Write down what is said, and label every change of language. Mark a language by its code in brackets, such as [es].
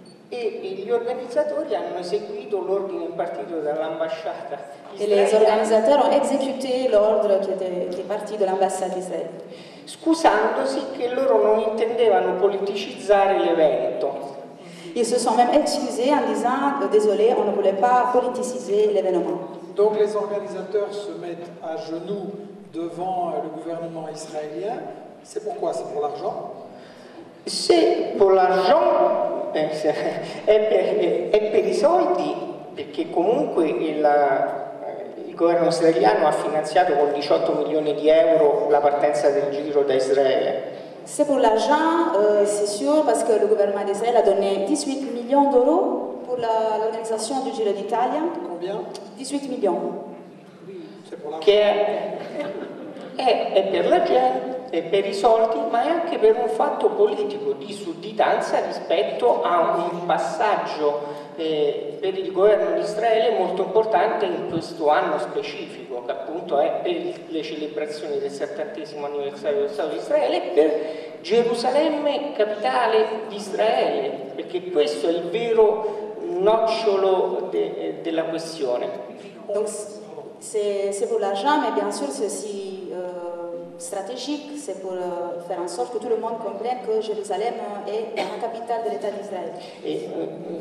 [it] Et gli organizzatori hanno eseguito l'ordine impartito dall'ambasciata. [fr] Et les organisateurs ont exécuté l'ordre qui est parti de l'ambassade israélienne. [it] Scusandosi che loro non intendevano politicizzare l'evento. [fr] Ils se sont même excusés en disant désolé, on ne voulait pas politiciser l'événement. Donc les organisateurs se mettent à genoux devant le gouvernement israélien. C'est pourquoi? C'est pour l'argent? C'est pour l'argent. [it] È per i soldi, perché comunque il governo israeliano ha finanziato con 18 milioni di euro la partenza del Giro da Israele. [fr] C'est pour l'argent, c'est sûr, parce que le gouvernement d'Israël a donné 18 millions d'euros pour l'organisation du Giro d'Italia. Combien? 18 millions. Oui, c'est pour l'argent. [it] È per la gente, è per i soldi, ma è anche per un fatto politico di sudditanza rispetto a un passaggio per il governo di Israele molto importante in questo anno specifico, che appunto è per le celebrazioni del 70° anniversario dello Stato di Israele, per Gerusalemme, capitale di Israele, perché questo è il vero nocciolo della questione. [fr] C'est pour l'argent, mais bien sûr c'est aussi stratégique, c'est pour faire en sorte que tout le monde comprenne que Jérusalem est la capitale de l'État d'Israël.